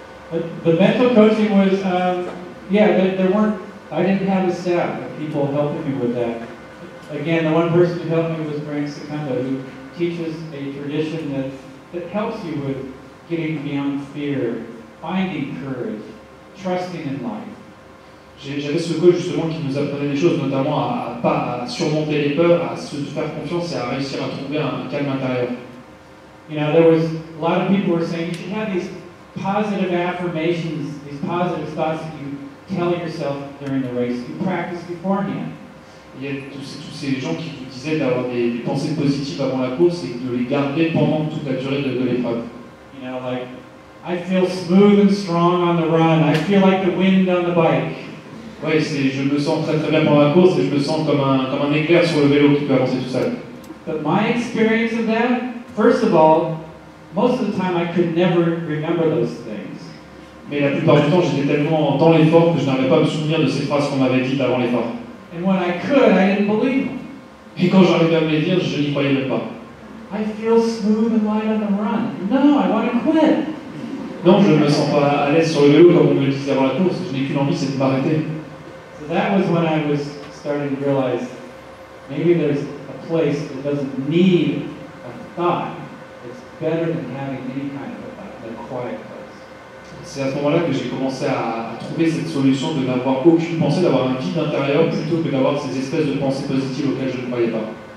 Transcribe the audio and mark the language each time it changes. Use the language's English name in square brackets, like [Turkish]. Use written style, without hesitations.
[English] The mental coaching was, there weren't, I didn't have a staff of people helping me with that. Again, the one person who helped me was Frank Secundo, who teaches a tradition that helps you with getting beyond fear, finding courage, trusting in life. [French] J'avais ce coach justement qui nous apprenait des choses, notamment à surmonter les peurs, à se faire confiance et à réussir à trouver un calme intérieur. [English] You know, there was a lot of people were saying, you should have these positive affirmations, these positive thoughts that you tell yourself during the race, you practice beforehand. [French] Il y a tous ces gens qui vous disaient d'avoir des pensées positives avant la course et de les garder pendant toute la durée de l'épreuve. [English] You know, like, I feel smooth and strong on the run, I feel like the wind on the bike. [French] Ouais, c'est, je me sens très très bien pendant la course et je me sens comme un éclair sur le vélo qui peut avancer tout seul. [English] But my experience of that, first of all, most of the time, I could never remember those things. [French] Mais la plupart du temps, j'étais tellement dans l'effort que je n'arrivais pas à me souvenir de ces phrases qu'on m'avait dites avant l'effort. [English] And when I could, I didn't believe them. [French] Et quand j'arrivais à me les dire, je n'y croyais même pas. [English] I feel smooth and light on the run. No, I want to quit. [French] Non, je ne me sens pas à l'aise sur le vélo comme on me le disait avant la course. Je n'ai qu'une envie, c'est de m'arrêter. [English] So that was when I was starting to realize maybe there's a place that doesn't need a thought. Better than having any kind of a quiet place. [French] C'est à ce moment-là que j'ai commencé à trouver cette solution de n'avoir aucune pensée, d'avoir un vide intérieur plutôt que d'avoir ces espèces de pensées positives auxquelles je ne croyais pas.